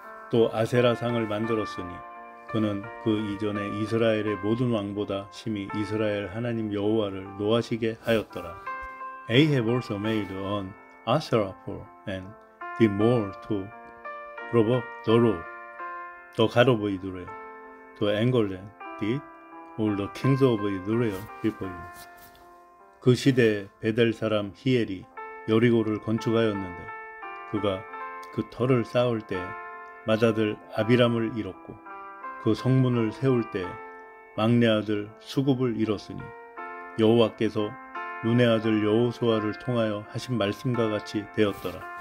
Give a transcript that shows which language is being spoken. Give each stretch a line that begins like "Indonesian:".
Korean: 또 아세라 상을 만들었으니, 그는 그 이전에 이스라엘의 모든 왕보다 심히 이스라엘 하나님 여호와를 노하시게 하였더라.
English: Ahab also made an Asherah pole and did more to provoke the Lord, the God of Israel, to anger them, did all the kings of Israel before him.
Korean: 그 시대에 베델 사람 히엘이 여리고를 건축하였는데 그가 그 터를 쌓을 때 맏아들 아비람을 잃었고 그 성문을 세울 때 막내 아들 수급을 잃었으니 여호와께서 눈의 아들 여호수아를 통하여 하신 말씀과 같이 되었더라.